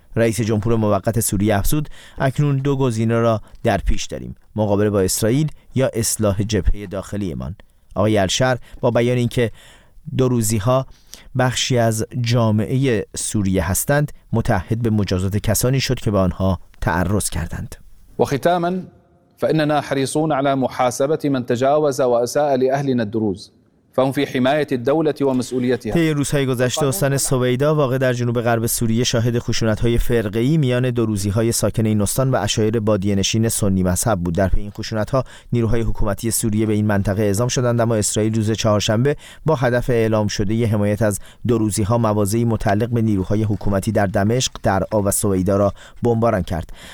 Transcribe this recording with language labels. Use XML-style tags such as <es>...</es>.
<fa>رئیس جمهور موقت سوریه افزود اکنون دو گزینه را در پیش داریم: مقابله با اسرائیل یا اصلاح جبهه داخلیمان. آقای الشر با بیان اینکه دو روزی ها بخشی از جامعه سوریه هستند، متحد به مجازات کسانی شد که به آنها تعرض کردند.</fa> <ar>و ختاما فاننا حريصون على محاسبه من تجاوز واساء لاهلنا الدروز فهم في حمايه الدوله ومسؤوليتها.</ar> <fa>طی روزهای گذشته استان سویدا واقع در جنوب غرب سوریه شاهد خشونت های فرقه‌ای میان دو روزی های ساکن این استان و عشایر بادیه نشین سنی مذهب بود. در پی این خشونت ها نیروهای حکومتی سوریه به این منطقه اعزام شدند، اما اسرائیل روز چهارشنبه با هدف اعلام شده حمایت از دو روزی ها مواضعی متعلق به نیروهای حکومتی در دمشق، درعا و سویدا را بمباران کرد.</fa>